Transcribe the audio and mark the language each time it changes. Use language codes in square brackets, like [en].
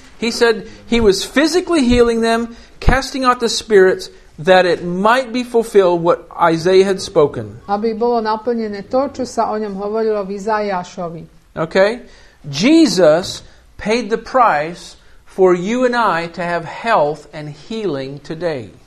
[en] He said he was physically healing them, casting out the spirits, that it might be fulfilled what Isaiah had spoken. [sk] Aby bolo naplnené to, čo sa o ňom hovorilo v Izaiášovi. [en] Okay? Jesus paid the price for you and I to have health and healing today.